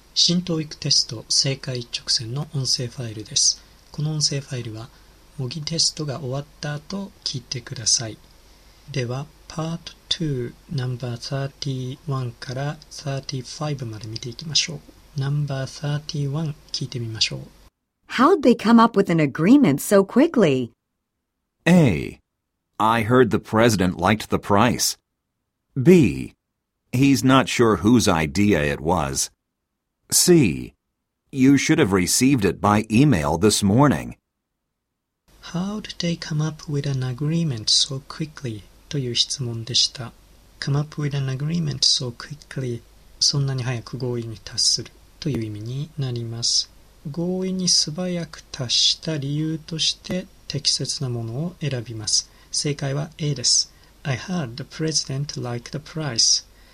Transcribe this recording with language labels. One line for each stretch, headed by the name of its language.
Japanese: 新教育テスト正解一直線の音声ファイルです。この音声ファイルは模擬テストが終わった後聞いてください。ではパート2、ナンバー31から35まで見ていきましょう。ナンバー31聞いてみましょう。
English: How'd they come up with an agreement so quickly? A. I heard the president liked the price. B. He's not sure whose idea it was. C. You should have received it by email this morning. How'd they come up with an agreement so quickly?
Japanese: という質問でした。
English: Come up with an agreement so quickly.
Japanese: そんなに早く合意に達するという意味になります。合意に素早く達した理由として適切なものを選びます。正解は A です。
English: I heard the president liked the price.